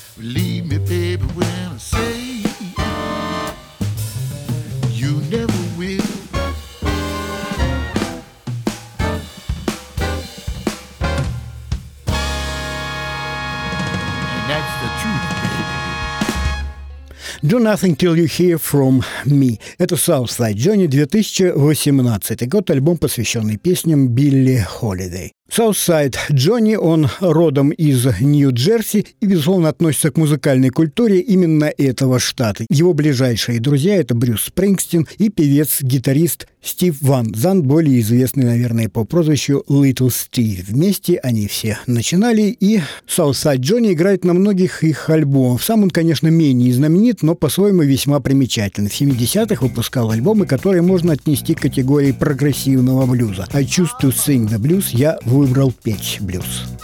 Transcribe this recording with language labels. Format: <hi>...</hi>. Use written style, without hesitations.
<en>Believe me, baby, when I say you never will. And that's the truth, baby. Do nothing till you hear from me.</en> <ru>Это Southside Johnny 2018 год, альбом, посвященный песням Билли Холидей. Southside Johnny, он родом из Нью-Джерси и, безусловно, относится к музыкальной культуре именно этого штата. Его ближайшие друзья – это Брюс Спрингстин и певец-гитарист Стив Ван Зандт, более известный, наверное, по прозвищу Little Steve. Вместе они все начинали, и Southside Johnny играет на многих их альбомах. Сам он, конечно, менее знаменит, но по-своему весьма примечателен. В 70-х выпускал альбомы, которые можно отнести к категории прогрессивного блюза. «I choose to sing the blues» я выбрал петь блюз.</ru>